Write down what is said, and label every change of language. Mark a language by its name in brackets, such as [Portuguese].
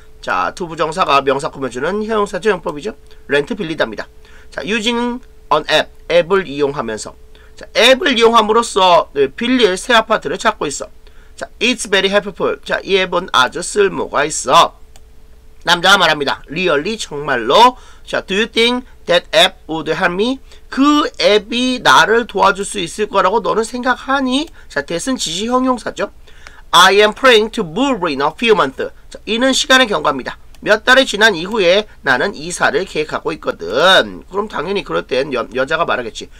[Korean] 자, 투부정사가 명사꾸며 주는 형용사 적용법이죠. 렌트 빌리답니다. 자, [English] using an app, [Korean] 앱을 이용하면서. 자, 앱을 이용함으로써 빌릴 새 아파트를 찾고 있어. [English] 자, it's very helpful. [Korean] 자, 이 앱은 아주 쓸모가 있어. 남자가 말합니다. Really, 정말로. [English] 자, do you think that app would help me? [Korean] 그 앱이 나를 도와줄 수 있을 거라고 너는 생각하니? 자, that은 지시 형용사죠. [English] I am praying to move in a few months. [Korean] 자, 이는 시간의 경과입니다. 몇 달이 지난 이후에 나는 이사를 계획하고 있거든. 그럼 당연히 그럴 땐 여자가 말하겠지.